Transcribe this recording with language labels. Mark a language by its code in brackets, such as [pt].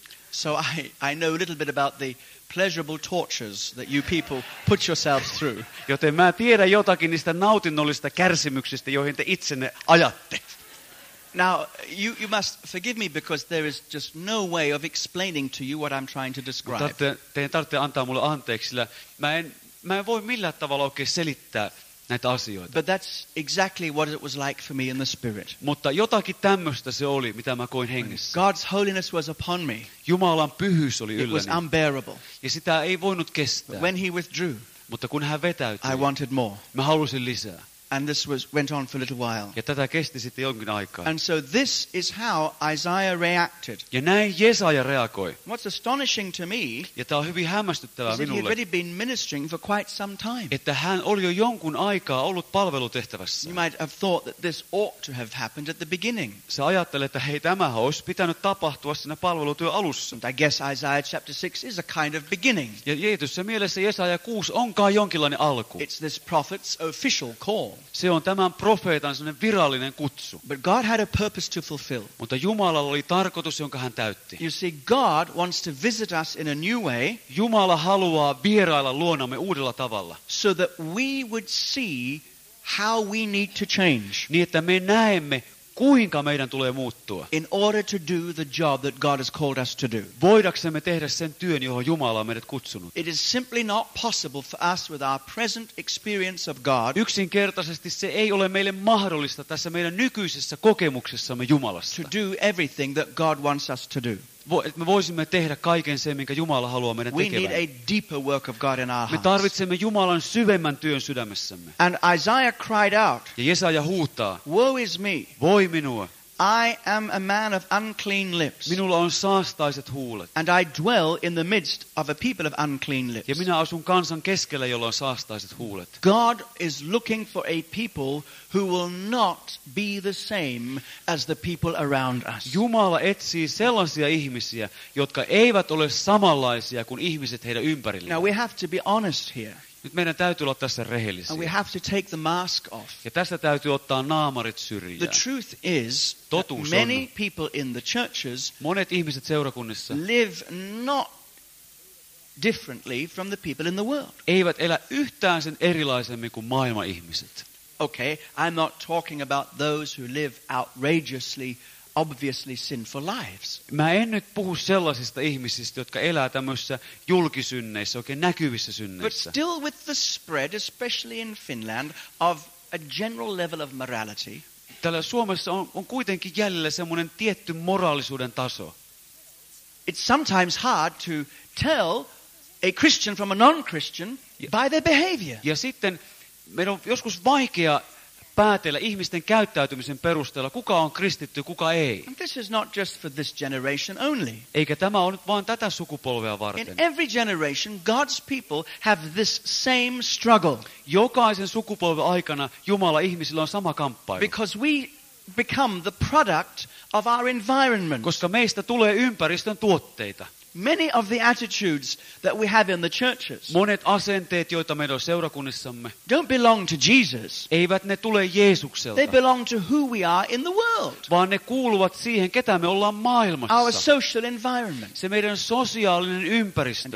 [en] So I know a little bit about the pleasurable tortures that you people put yourselves through. [fi] Joten mä tiedän jotakin niistä nautinnollisista kärsimyksistä, joihin te itsenne ajatte. [en] Now you must forgive me because there is just no way of explaining to you what I'm trying to describe. [fi] Teidän tarvitsee antaa mulle anteeksi, sillä mä en voi millään tavalla oikein selittää näitä asioita. [en] But that's exactly what it was like for me in the spirit. [fi] Mutta jotakin tämmöistä se oli, mitä mä koin hengessä. [en] God's holiness was upon me. [fi] Jumalan pyhyys oli ylläni. [en] It was unbearable. [fi] Ja sitä ei voinut kestää. [en] When he withdrew, [fi] mutta kun hän vetäytyi, [en] I wanted more. [fi] Mä halusin lisää. [en] And this was went on for a little while. [fi] Ja tätä kesti sitten jonkin aikaa. [en] And so this is how Isaiah reacted. [fi] Ja näin Jesaja reagoi. [en] What's astonishing to me? [fi] Ja tämä on hyvin hämmästyttävää minulle. [en] He had already been ministering for quite some time. [fi] Että hän oli jo jonkun aikaa ollut palvelutehtävässä. [en] You might have thought that this ought to have happened at the beginning. [fi] Sä ajattelet, että hei, tämä olisi pitänyt tapahtua siinä palvelutyön alussa. [en] And I guess Isaiah chapter 6 is a kind of beginning. [fi] Ja tietyssä mielessä Jesaja 6 onkaan jonkinlainen alku. [en] It's this prophet's official call. [fi] Se on tämän profeetan sellainen virallinen kutsu. [en] But God had a purpose to fulfill. [fi] Mutta Jumalalla oli tarkoitus, jonka hän täytti. [en] You see, God wants to visit us in a new way. [fi] Jumala haluaa vierailla luonamme uudella tavalla. [en] So that we would see how we need to change. [fi] Niin että me näemme, kuinka meidän tulee muuttua. [en] In order to do the job that God has called us to do. [fi] Voidaksemme tehdä sen työn, johon Jumala on meidät kutsunut. [en] It is simply not possible for us with our present experience of God. [fi] Yksinkertaisesti se ei ole meille mahdollista tässä meidän nykyisessä kokemuksessamme Jumalasta. [en] To do everything that God wants us to do. [fi] Että me voisimme tehdä kaiken sen, minkä Jumala haluaa meidän tekevän. [en] We need a deeper work of God in our hearts. [fi] Me tarvitsemme Jumalan syvemmän työn sydämessämme. [en] And Isaiah cried out. [fi] Ja Jesaja huutaa. [en] Woe is me. [fi] Voi minua. [en] I am a man of unclean lips. [fi] Minulla on saastaiset huulet. [en] And I dwell in the midst of a people of unclean lips. [fi] Ja minä asun kansan keskellä, jolla on saastaiset huulet. [en] God is looking for a people who will not be the same as the people around us. [fi] Jumala etsii sellaisia ihmisiä, jotka eivät ole samanlaisia kuin ihmiset heidän ympärillään. [en] Now we have to be honest here. [fi] Nyt meidän täytyy olla tässä rehellisiä. [en] And we have to take the mask off. [fi] Ja tästä täytyy ottaa naamarit syrjään. [en] The truth is, [fi] totuus [en] many [fi] on, [en] people in the churches, [fi] monet ihmiset seurakunnissa, [en] live not differently from the people in the world. [fi] Eivät elä yhtään sen erilaisemmin kuin maailman ihmiset. [en] Okay, I'm not talking about those who live outrageously, obviously sinful lives. [fi] Mä en nyt puhu sellaisista ihmisistä, jotka elää tämmöisissä julkisynneissä, oikein näkyvissä synneissä. [en] But still with the spread, especially in Finland, of a general level of morality. [fi] Täällä Suomessa on kuitenkin jäljellä semmoinen tietty moraalisuuden taso. [en] It's sometimes hard to tell a Christian from a non-Christian by their behavior. [fi] Ja sitten meidän on joskus vaikea päätellä ihmisten käyttäytymisen perusteella, kuka on kristitty, kuka ei. [en] And this is not just for this generation only. [fi] Eikä tämä ole nyt vaan tätä sukupolvea varten. [en] In every generation, God's people have this same struggle. [fi] Jokaisen sukupolven aikana Jumala ihmisillä on sama kamppailu. [en] Because we become the product of our environment. [fi] Koska meistä tulee ympäristön tuotteita. [en] Many of the attitudes that we have in the churches. [fi] Monet asenteet, joita meillä on seurakunnissamme. [en] Don't belong to Jesus. [fi] Eivät ne tule Jeesukselta. [en] They belong to who we are in the world. [fi] Vaan ne kuuluvat siihen, ketä me ollaan maailmassa. [en] Our social environment. [fi] Se meidän sosiaalinen ympäristömme.